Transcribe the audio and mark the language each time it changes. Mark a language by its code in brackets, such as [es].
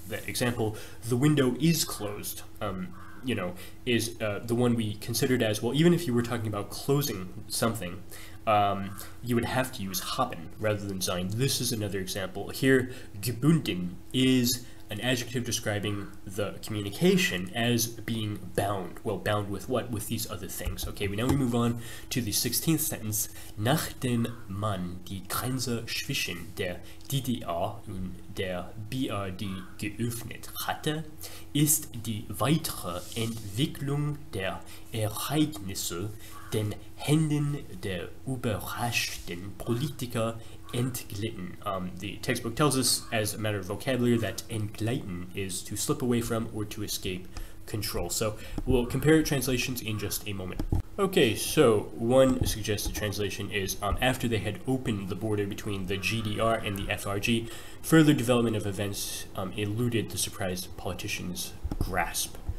[en] The example, the window is closed, you know, is the one we considered as, well, even if you were talking about closing something, you would have to use haben rather than sein. This is another example. Here, gebunden is an adjective describing the communication as being bound. Well, bound with what? With these other things. Okay, now we move on to the 16th sentence. [de] Nachdem man die Grenze zwischen der DDR und der BRD geöffnet hatte, ist die weitere Entwicklung der Ereignisse den Händen der überraschten Politiker entglitten. [en] The textbook tells us, as a matter of vocabulary, that entglitten is to slip away from or to escape control. So we'll compare translations in just a moment. Okay, so one suggested translation is after they had opened the border between the GDR and the FRG, further development of events eluded the surprised politicians' grasp.